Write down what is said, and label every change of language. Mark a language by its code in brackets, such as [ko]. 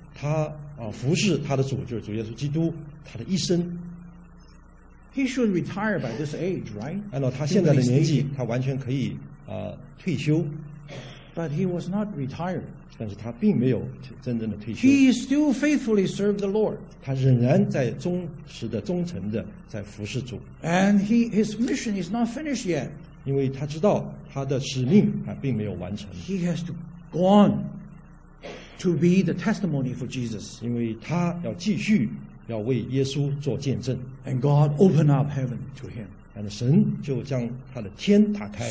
[zh] 他服侍他的主，就是主耶稣基督，他的一生。 [en] He should retire by this age, right? [zh] 按照他现在的年纪，他完全可以退休。 [en] But he was not retired. [zh] 但是他并没有真正的退休。 [en] He still faithfully served the Lord. [zh] 他仍然在忠实的、忠诚的在服侍主。 [en] And his mission is not finished yet. [zh] 因为他知道他的使命还并没有完成。 [en] He has to go on to be the testimony for Jesus. [zh] 因为他要继续要为耶稣做见证。 [en] And God opened up heaven to him. [zh] And 神就将他的天打开。